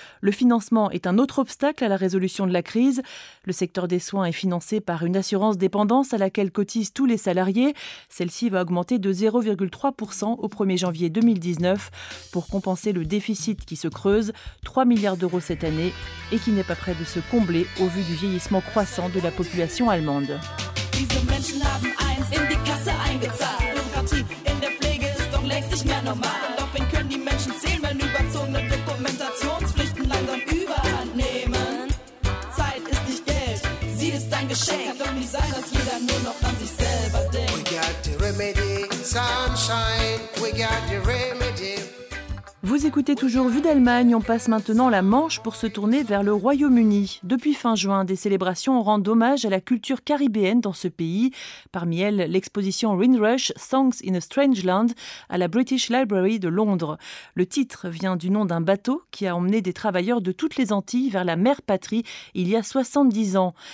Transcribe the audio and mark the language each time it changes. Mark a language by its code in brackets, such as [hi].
[fr] Le financement est un autre obstacle à la résolution de la crise. Le secteur des soins est financé par une assurance dépendance à laquelle cotisent tous les salariés. Celle-ci va augmenter de 0,3% au 1er janvier 2019 pour compenser le déficit qui se creuse, 3 milliards d'euros cette année, et qui n'est pas près de se combler au vu du vieillissement croissant de la population allemande. [de] Diese Menschen haben eins in die Kasse eingezahlt. Bürokratie in der Pflege ist doch längst nicht mehr normal. Und auf wen können die Menschen zählen, wenn überzogene Dokumentationspflichten langsam überhand nehmen? Zeit ist nicht Geld, sie ist ein Geschenk. Kann doch nicht sein, dass jeder nur noch an sich selber denkt. [en] We got the remedy, sunshine, we got the remedy. [fr] Vous écoutez toujours Vue d'Allemagne, on passe maintenant la Manche pour se tourner vers le Royaume-Uni. Depuis fin juin, des célébrations rendent hommage à la culture caribéenne dans ce pays. Parmi elles, l'exposition Windrush, Songs in a Strange Land, à la British Library de Londres. Le titre vient du nom d'un bateau qui a emmené des travailleurs de toutes les Antilles vers la mère patrie il y a 70 ans.